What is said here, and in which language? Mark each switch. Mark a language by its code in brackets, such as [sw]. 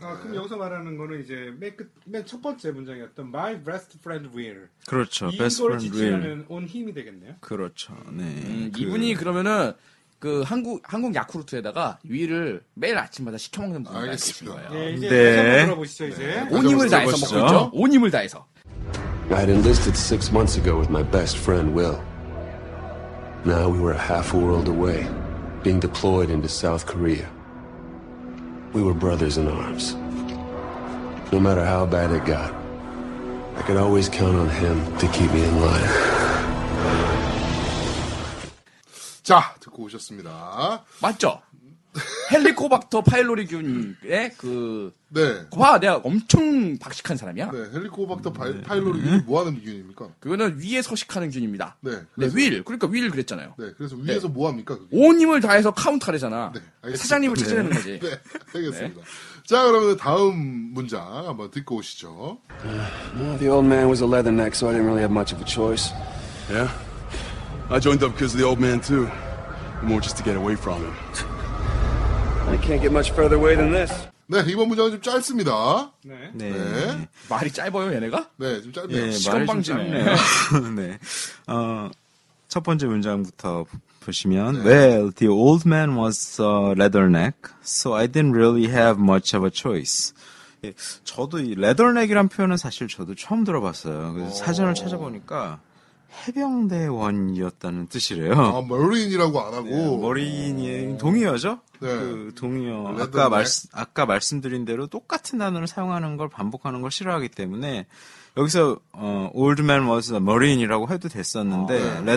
[ko] 아, 그럼 네. 여기서 말하는 거는 이제 맨 첫 번째 문장이었던 [en] my best friend will. [ko] 그렇죠. 이걸 best friend 지칭하는 will. 온 힘이 되겠네요. 그렇죠. 네. 이분이 그러면은 그 한국 야쿠르트에다가 위를 매일 아침마다 시켜 먹는 분이 계신 거예요. 네. 이제 들어보시죠 이제. 온 힘을 다해서 먹죠. 온 힘을 다해서. [en] I'd enlisted 6 months ago with my best friend Will. Now we were a half world away, being deployed into South Korea. We were brothers in arms. No matter how bad it got, I could always count on him to keep me in line. [ko] 자, 듣고 오셨습니다. 맞죠? 헬리코박터 파일로리균의 그 네. 봐, 내가 엄청 박식한 사람이야. 네, 헬리코박터 파일로리균이 뭐 하는 균입니까? 그거는 위에 서식하는 균입니다. 네. 네, 윌. 그러니까 윌 그랬잖아요. 네. 그래서 위에서 네. 뭐 합니까, 그게? 온 힘을 다해서 카운터하잖아. 네. 알겠습니다. 사장님을 찾아내는 네. 거지. 네. 알겠습니다. 네. 자, 그러면 다음 문장 한번 듣고 오시죠. [en] The old man was a leatherneck, so I didn't really have much of a choice. Yeah. I joined up because of the old man too. More just to get away from him. I can't get much further away than this. [ko] 네, 이번 문장은 좀 짧습니다. 네. 네. 네. 말이 짧아요, 얘네가? 네, 좀 짧네요. 네, 시간 방지네. 네. 첫 번째 문장부터 보시면 네. [en] Well, the old man was a leatherneck, so I didn't really have much of a choice. [ko] 예, 저도 이 leatherneck이란 표현은 사실 저도 처음 들어봤어요. 그래서 사전을 찾아보니까 해병대원이었다는 뜻이래요. 아, 머린이라고 안 하고. 네, 머린이 동의어죠? 네. 그 동의어. 아까 말씀드린 대로 똑같은 단어를 사용하는 걸 반복하는 걸 싫어하기 때문에 여기서 [en] old man was a marine [ko] 이라고 해도 됐었는데 아, 네.